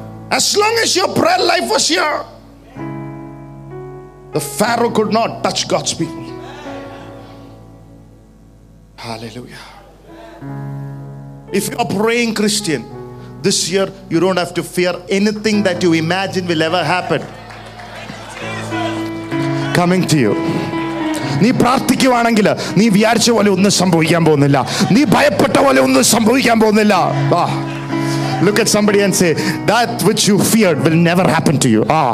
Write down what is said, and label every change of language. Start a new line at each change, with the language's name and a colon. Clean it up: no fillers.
English: As long as your prayer life was here, the Pharaoh could not touch God's people. Hallelujah. If you are praying Christian, this year you don't have to fear anything that you imagine will ever happen. Coming to you.
Malayalam: നീ പ്രാർത്ഥിക്കുവാണെങ്കിൽ നീ വിചാരിച്ച പോലെ ഒന്നും സംഭവിക്കാൻ പോകുന്നില്ല. നീ ഭയപ്പെട്ട പോലെ ഒന്നും സംഭവിക്കാൻ പോകുന്നില്ല.
English: Look at somebody and say, that which you feared will never happen to you.